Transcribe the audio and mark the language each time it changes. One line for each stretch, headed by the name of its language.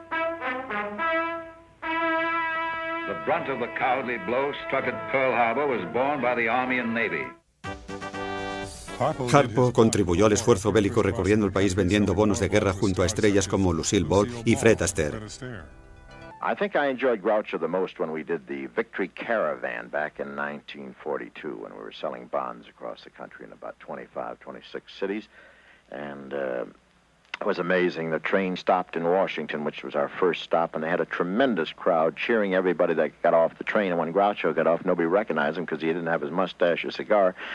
English: The brunt of the cowardly blow struck at Pearl Harbor was borne by the Army and Navy.
Spanish: Harpo contribuyó al esfuerzo bélico recorriendo el país vendiendo bonos de guerra junto a estrellas como Lucille Ball y Fred Astaire.
English: I think I enjoyed Groucho the most when we did the Victory Caravan back in 1942 when we were selling bonds across the country in about 25, 26 cities. And it was amazing. The train stopped in Washington, which was our first stop, and they had a tremendous crowd cheering everybody that got off the train. And when Groucho got off, nobody recognized him because he didn't have his mustache or cigar.